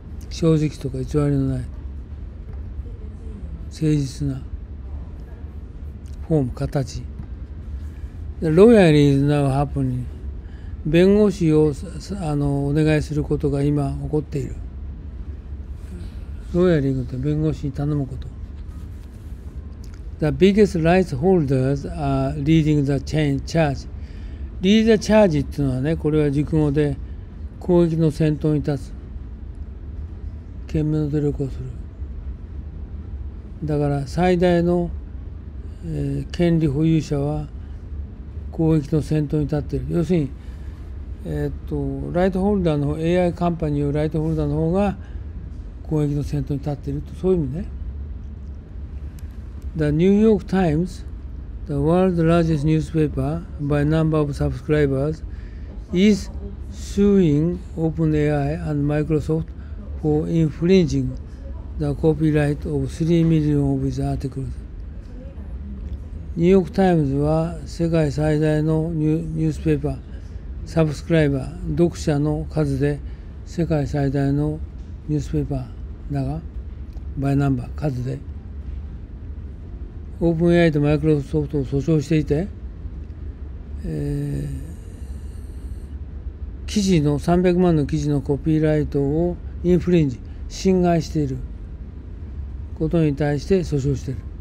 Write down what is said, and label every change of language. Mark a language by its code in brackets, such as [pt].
[ja] 正直とか偽りのない誠実なフォーム形。 [en] ロイヤリーズナウハプニング。 [ja] 弁護士をお願いすることが今起こっている。ロイヤリングって弁護士に頼むこと。 [en] The biggest rights holders are leading the charge. Lead the charge [ja] っていうのはね、これは熟語で攻撃の先頭に立つ、懸命の努力をする。だから最大の、権利保有者は攻撃の先頭に立っている。要するに、ライトホルダーの方、 AI カンパニーよりライトホルダーの方が攻撃の先頭に立っていると、そういう意味ね。 [en] The New York Times, the world's largest newspaper by number of subscribers, is suing OpenAI and Microsoftfor infringing the copyright of 3 million of its articles. [ja] ニューヨークタイムズは世界最大のニュースペーパー、サブスクライバー、読者の数で世界最大のニュースペーパーだが、バイナンバー数で、オープン AI とマイクロソフトを訴訟していて、記事の300万の記事のコピーライトをインフリンジ、侵害していることに対して訴訟している。